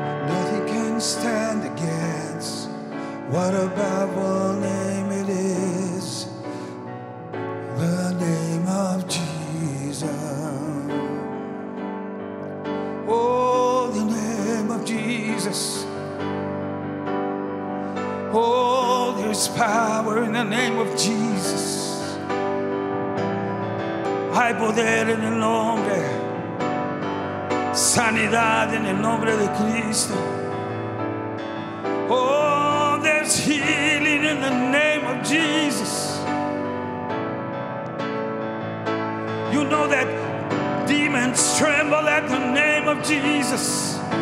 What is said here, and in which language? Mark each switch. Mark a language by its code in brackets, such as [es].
[en] Nothing can stand against what a powerful name it is, the name of Jesus. Oh, the name of Jesus. Oh, there's power in the name of Jesus. [es] Hay poder en el nombre. Sanidad en el nombre de Cristo. [en] Oh, there's healing in the name of Jesus. You know that demons tremble at the name of Jesus.